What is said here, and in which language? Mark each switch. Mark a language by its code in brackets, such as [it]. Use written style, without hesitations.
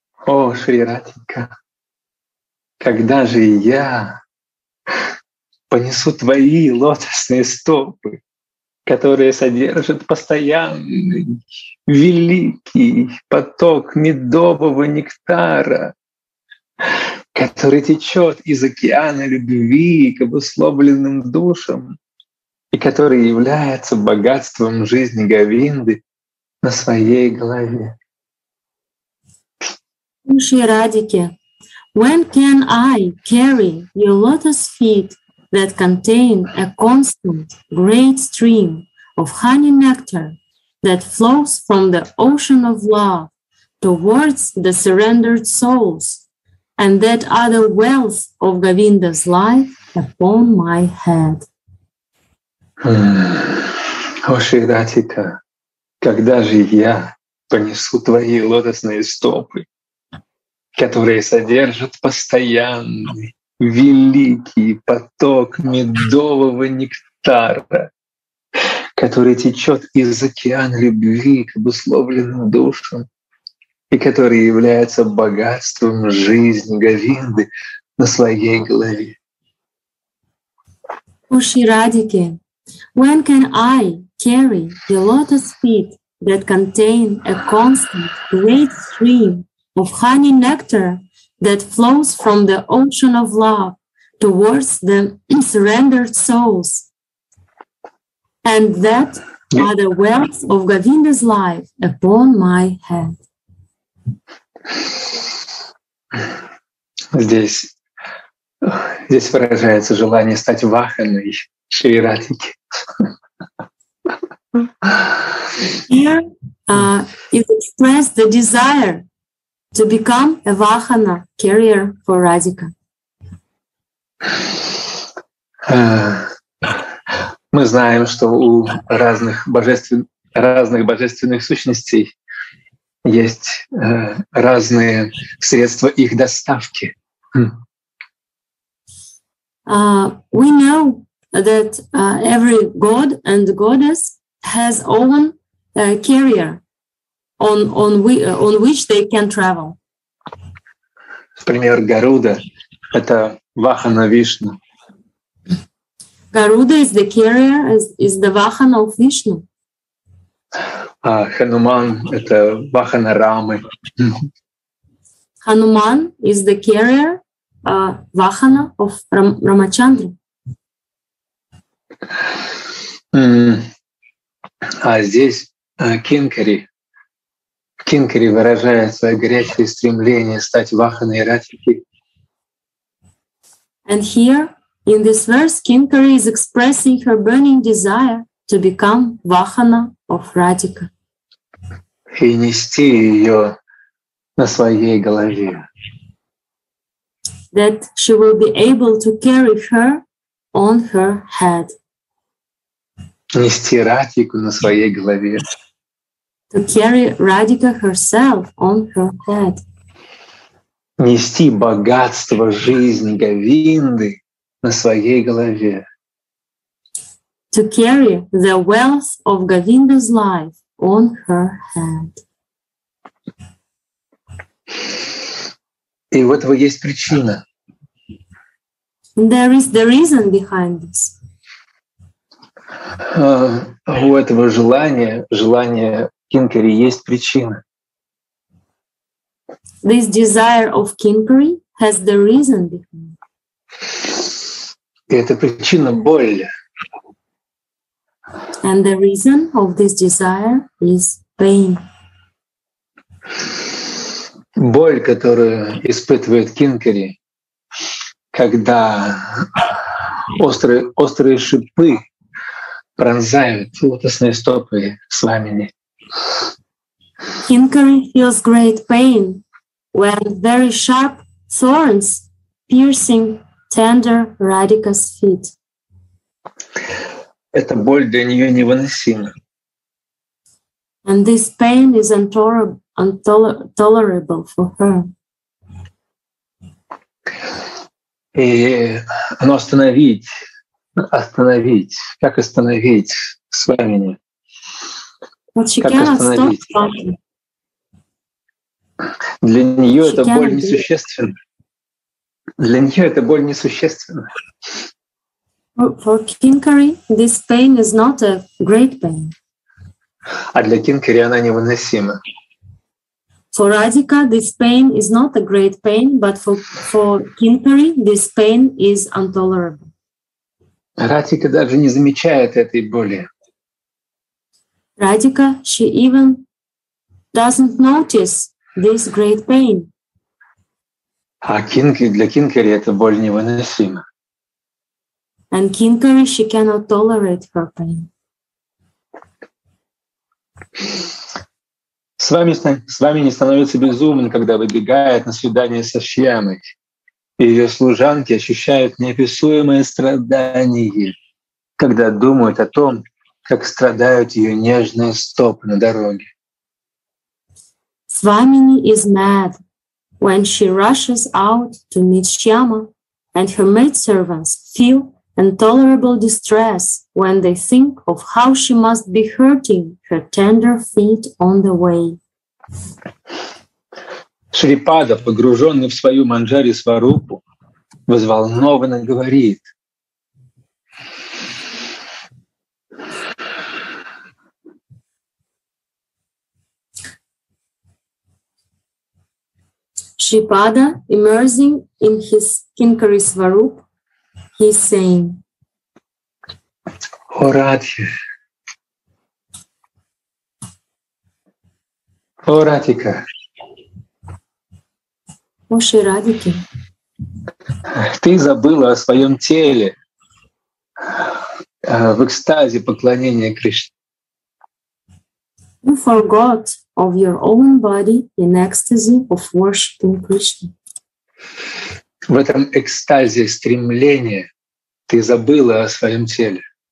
[ru] О, Шри Радхика, когда же я понесу твои лотосные стопы, которые содержат постоянный, великий поток медового нектара, который течет из океана любви к обусловленным душам и который является богатством жизни Говинды на своей голове. [en] Шри Радхике, when can I carry your lotus feet that contain a constant great stream of honey nectar that flows from the ocean of love towards the surrendered souls and that other wealth of Govinda's life upon my head? [ru] О, Шри Радхика, когда же я понесу твои лотосные стопы, которые содержат постоянный великий поток медового нектара, который течет из океана любви к обусловленным душам и который является богатством жизни Говинды на своей голове. [en] О, Шри Радхике, when can I carry the lotus feet that contain a constant great stream of honey nectar that flows from the ocean of love towards the surrendered souls, and that are the wealth of Govinda's life upon my head? [ru] Здесь выражается желание стать ваханой Шри Радхики. [en] Here is expressed the desire to become a vahana carrier for Radhika. [ru] Мы знаем, что у разных божественных сущностей есть разные средства их доставки. [en] We know that every god and goddess has own carrier on which they can travel. [ru] Например, Гаруда — это вахана Вишну. [en] Гаруда is the carrier, is the vahana of Vishnu. [ru] А Хануман — это вахана Рамы. [en] Хануман is the carrier, vahana of Рамачандры. [ru] А здесь Кинкари. Кинкари выражает свое горячее стремление стать ваханой Радхики. [en] And here, in this verse, Kinkari is expressing her burning desire to become vahana of Radhika. [ru] И нести ее на своей голове. [en] That she will be able to carry her on her head. [ru] Нести Радхику на своей голове. [en] To carry Radhika herself on her head. [ru] Нести богатство жизни Говинды на своей голове. [en] To carry the wealth of Govinda's life on her head. [ru] И у этого есть причина. [en] There is the reason behind this. [ru] У этого желания Кинкари есть причина. [en] This desire of Kinkari has the reason behind it. [ru] И это причина боли. [en] And the reason of this desire is pain. [ru] Боль, которую испытывает Кинкари, когда острые шипы пронзают лотосные стопы свамини. [en] Kinkari feels great pain when very sharp thorns piercing tender Radhika's feet. [ru] Эта боль для нее невыносима. [en] And this pain is intolerable for her. [ru] И оно остановить, как остановить свамини? [en] But she cannot stop fighting. [ru] Для нее эта боль несущественна. Для нее эта боль несущественна. [en] For Kinkari, this pain is not a great pain. [ru] А для Кинкари она невыносима. [en] For Radhika, this pain is not a great pain, but for Kinkari, this pain is intolerable. [ru] Радика даже не замечает этой боли. [en] Radhika, she even doesn't notice this great pain. [ru] А для Кинкари эта боль невыносима. [en] And Kinkari, she cannot tolerate her pain. [ru] С вами не становится безумен, когда выбегает на свидание со Шьямой. И ее служанки ощущают неописуемое страдание, когда думают о том, как страдают ее нежные стопы на дороге. [en] Swamini is mad when she rushes out to meet Shyama, and her maidservants feel intolerable distress when they think of how she must be hurting her tender feet on the way. [ru] Шрипада, погруженный в свою манджари сварупу, взволнованно говорит. [en] Шрипада, immersing in his Kinkari Swarup, he is saying, [ru] О, Радхи! О, Радхика! О, Шрирадхики! Ты забыла о своем теле в экстазе поклонения Кришне. [en] You forgot of your own body in ecstasy of worshiping Krishna. [ru] В этом экстазе стремления ты забыла о своем теле.